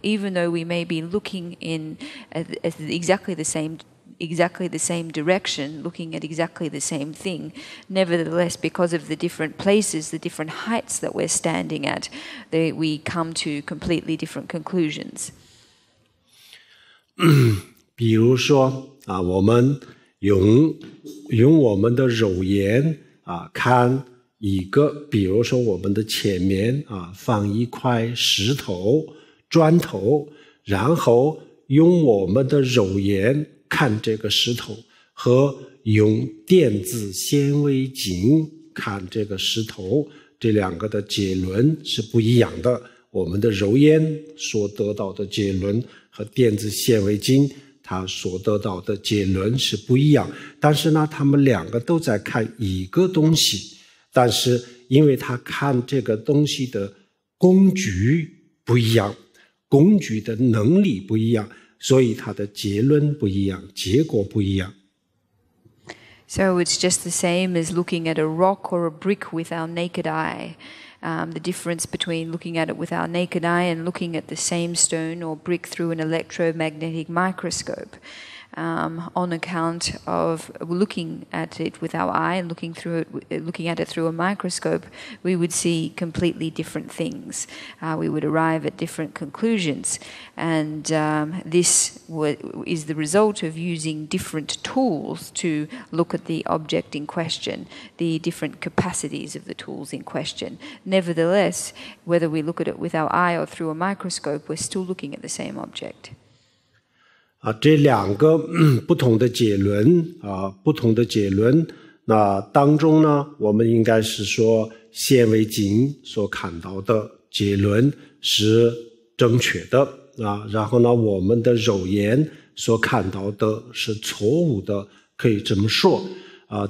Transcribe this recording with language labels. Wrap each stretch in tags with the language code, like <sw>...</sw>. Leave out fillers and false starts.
<en>Even though we may be looking in exactly the same direction, looking at exactly the same thing. Nevertheless, because of the different places, the different heights that we're standing at, we come to completely different conclusions.</en> <zh>比如说，啊，我们用我们的肉眼，啊，看一个，比如说我们的前面，啊，放一块石头，砖头，然后用我们的肉眼看这个石头和用电子显微镜看这个石头，这两个的结论是不一样的。我们的肉眼所得到的结论和电子显微镜它所得到的结论是不一样，但是呢，他们两个都在看一个东西，但是因为他看这个东西的工具不一样，工具的能力不一样，所以它的结论不一样，结果不一样。</zh> <en>So it's just the same as looking at a rock or a brick with our naked eye. The difference between looking at it with our naked eye and looking at the same stone or brick through an electromagnetic microscope. On account of looking at it with our eye and looking at it through a microscope, we would see completely different things. We would arrive at different conclusions. And this is the result of using different tools to look at the object in question, the different capacities of the tools in question. Nevertheless, whether we look at it with our eye or through a microscope, we're still looking at the same object.</en> <zh>啊，这两个不同的结论啊，不同的结论那当中呢，我们应该是说显微镜所看到的结论是正确的啊，然后呢，我们的肉眼所看到的是错误的，可以这么说啊。</zh>